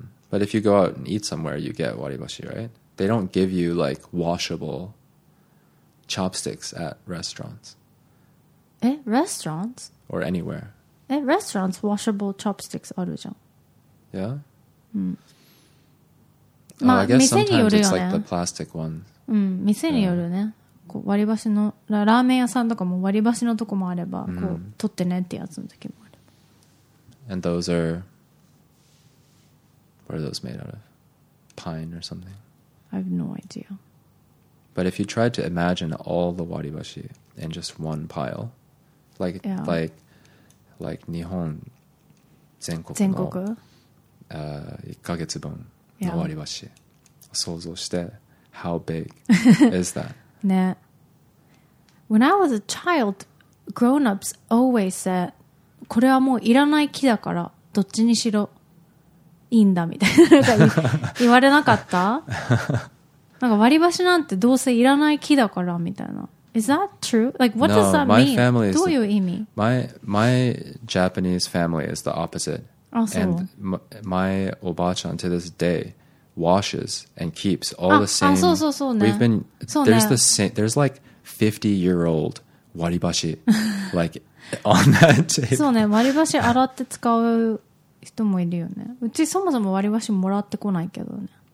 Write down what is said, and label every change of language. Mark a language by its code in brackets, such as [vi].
[en] But if you go out and eat somewhere, you get waribashi, right? They don't give you like washable chopsticks at restaurants. Eh? Restaurants? Or anywhere. Eh? Restaurants, washable chopsticks [ja] あるじゃん。 [en] Yeah? Hmm. Oh, I guess sometimes it's like the plastic ones. [ja] うん、店によるね。こう割り箸のラーメン屋さんとかも割り箸のとこもあれば、こう取ってねってやつの時もある。 [en] And those are what are those made out of? Pine or something? I have no idea. But if you tried to imagine all the waribashi in just one pile, like、yeah. [ja] like Nihon 全国の一ヶ月分の割り箸、yeah. 想像して [en] How big is that? [ja] ね。 [en] When I was a child, grown-ups always said, [ja] これはもういらない木だから、どっちにしろいいんだみたいな言われなかった？なんか割り箸なんてどうせいらない木だからみたいな。 [en] Is that true? Like, what does that mean? [ja] どういう意味？ [en] My Japanese family is the opposite. And my Obachan to this day. Washes and keeps all the same. [ja] そうそうそう、ね、 [en] We've been there's the same. There's like 50 year old waribashi like on that table. [ja] そうね、割り箸洗って使う人もいるよね。うちそもそも割り箸もらってこないけどね。